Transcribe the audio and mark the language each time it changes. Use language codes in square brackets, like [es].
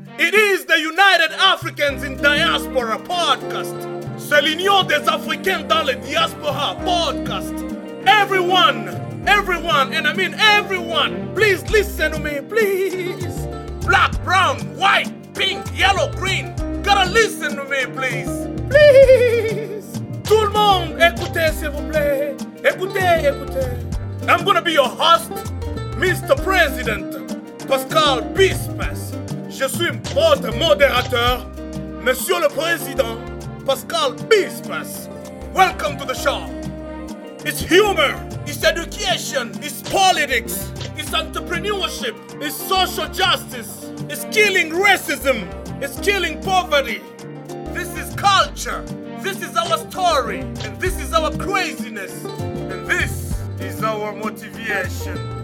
[en] It is the United Africans in Diaspora podcast. [fr] C'est l'Union des Africains dans la Diaspora podcast. [en] Everyone, please listen to me, please. Black, brown, white, pink, yellow, green. Gotta listen to me, please. [fr] Tout le monde, écoutez, s'il vous plaît. Écoutez. [en] I'm gonna be your host, Mr. President Pascal Bispas. [fr] Je suis votre modérateur, Monsieur le Président Pascal Bispas. [en] Welcome to the show. It's humor, it's education, it's politics, it's entrepreneurship, it's social justice, it's killing racism, it's killing poverty. This is culture, this is our story, and this is our craziness, and this is our motivation.